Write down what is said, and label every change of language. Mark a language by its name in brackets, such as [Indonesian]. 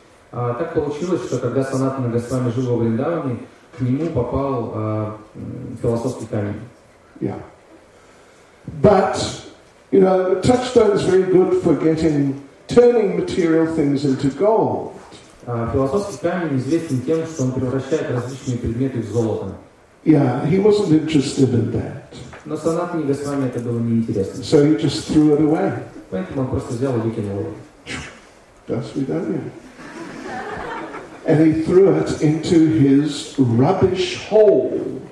[Russian] Так получилось, что когда Санатана Госвами жил в Вриндаване, к нему попал философский камень. [English] Yeah. But, you know, a touchstone is very good for getting, turning material things into gold. [Russian] Философский камень известен тем, что он превращает различные предметы в золото. [English] Yeah, he wasn't interested in that. [Russian] Но Санатане Госвами это было неинтересно. [English] So he just threw it away. [Russian] Поэтому он просто взял и выкинул его. До свидания. [English] And he threw it into his rubbish hole.